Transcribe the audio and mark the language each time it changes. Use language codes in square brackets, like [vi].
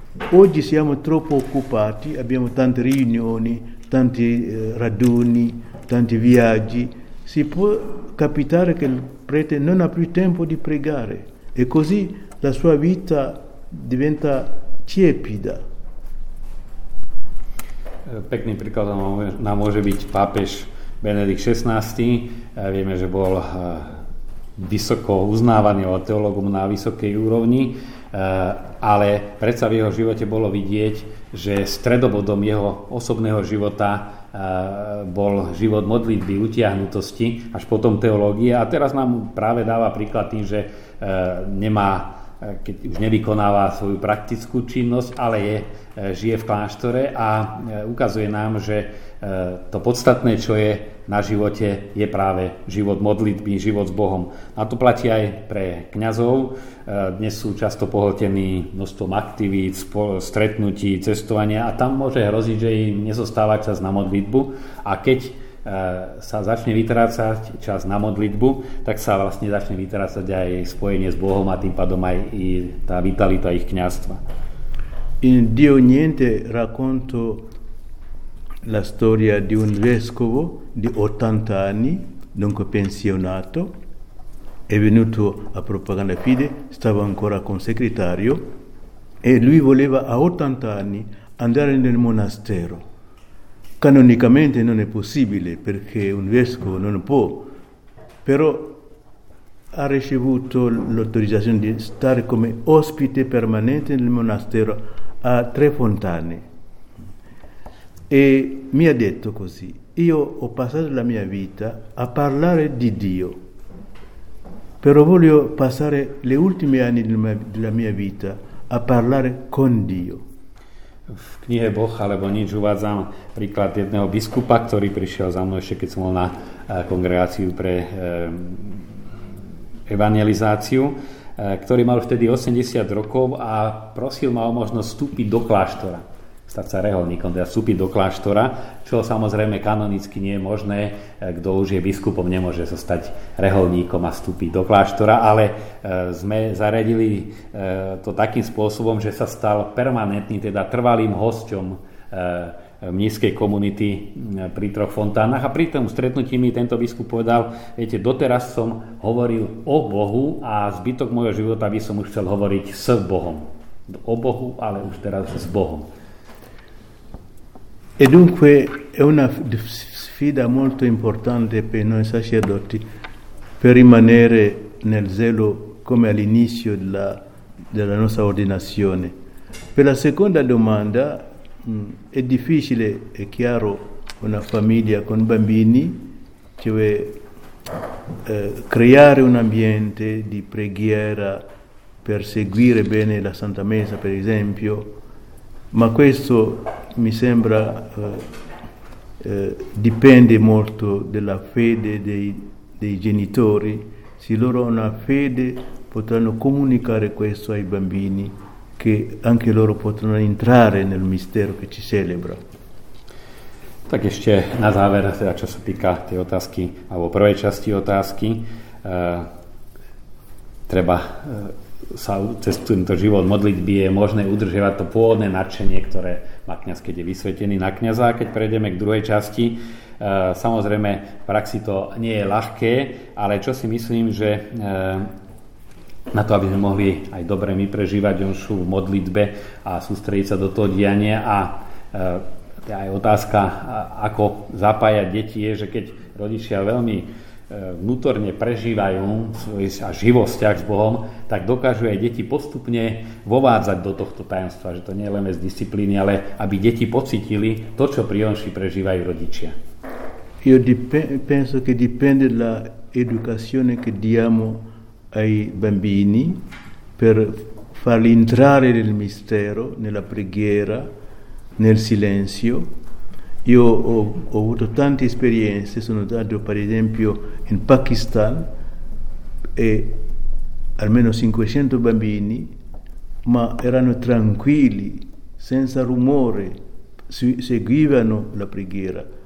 [it] Oggi siamo troppo occupati, abbiamo tante riunioni, tanti raduni, tanti viaggi. Si può capitare che il prete non ha più tempo di pregare e così la sua vita diventa tiepida. [sk] Pekným príkladom nám môže byť pápež Benedikt XVI. Vieme, že bol vysoko uznávaný od teológom na vysokej úrovni, ale predsa v jeho živote bolo vidieť, že stredobodom jeho osobného života bol život modlitby, utiahnutosti, až potom teológie. A teraz nám práve dáva príklad tým, že nemá, keď už nevykonáva svoju praktickú činnosť, ale žije v kláštore a ukazuje nám, že to podstatné, čo je na živote, je práve život modlitby, život s Bohom. A to platí aj pre kňazov. Dnes sú často pohltení množstvom aktivít, stretnutí, cestovania a tam môže hroziť, že im nezostáva čas na modlitbu. A keď sa začne vytrácať čas na modlitbu, tak sa vlastne začne vytrácať aj spojenie s Bohom a tým pádom aj i tá vitalita ich kňazstva. [it] In Dio Niente racconto la storia di un vescovo di 80 anni, dunque pensionato, è venuto a Propaganda Fide, stava ancora con segretario e lui voleva a 80 anni andare nel monastero. Canonicamente non è possibile perché un vescovo non può, però ha ricevuto l'autorizzazione di stare come ospite permanente nel monastero a Tre Fontane. E mi ha detto così: io ho passato la mia vita a parlare di Dio, però voglio passare le ultime anni della mia vita a parlare con Dio. [sk] V knihe Boh alebo nič uvádzam príklad jedného biskupa, ktorý prišiel za mnou ešte keď som bol na kongregáciu pre evangelizáciu, ktorý mal vtedy 80 rokov a prosil ma o možnosť vstúpiť do kláštora, stať sa reholníkom, teda vstúpiť do kláštora, čo samozrejme kanonicky nie je možné, kto už je biskupom, nemôže sa stať reholníkom a vstúpiť do kláštora, ale sme zariadili to takým spôsobom, že sa stal permanentným, teda trvalým hosťom mnišskej komunity pri Troch Fontánach a pri tom stretnutí mi tento biskup povedal, viete, doteraz som hovoril o Bohu a zbytok môjho života by som už chcel hovoriť s Bohom. O Bohu, ale už teraz s Bohom. [it] E dunque è una sfida molto importante per noi sacerdoti per rimanere nel zelo come all'inizio della nostra ordinazione. Per la seconda domanda, è difficile, è chiaro, una famiglia con bambini, cioè creare un ambiente di preghiera per seguire bene la Santa Messa, per esempio, ma questo mi sembra dipende molto dalla fede dei genitori. Se loro hanno una fede, potranno comunicare questo ai bambini, che anche loro potranno entrare nel mistero che ci celebra. [sk] Tak ešte na záver, teda čo sa týka tej otázky, alebo prvej časti otázky, treba sa cez tento život modlitby je možné udržiavať to pôvodné nadšenie, ktoré má kňaz, keď je vysvetený na kňaza. A keď prejdeme k druhej časti, samozrejme v praxi to nie je ľahké, ale čo si myslím, že na to, aby sme mohli aj dobre my prežívať Jonšu v modlitbe a sústrediť sa do toho diania. A aj otázka, ako zapájať deti, je, že keď rodičia veľmi vnútorne prežívajú a živo vzťah s Bohom, tak dokážu aj deti postupne vovádzať do tohto tajomstva, že to nie je len z disciplíny, ale aby deti pocítili to, čo pri Jonši prežívajú rodičia. [it] Penso che dipende dall'educazione che diamo ai bambini per farli entrare nel mistero, nella preghiera, nel silenzio. Io ho avuto tante esperienze, sono andato per esempio in Pakistan e almeno 500 bambini, ma erano tranquilli, senza rumore, seguivano la preghiera.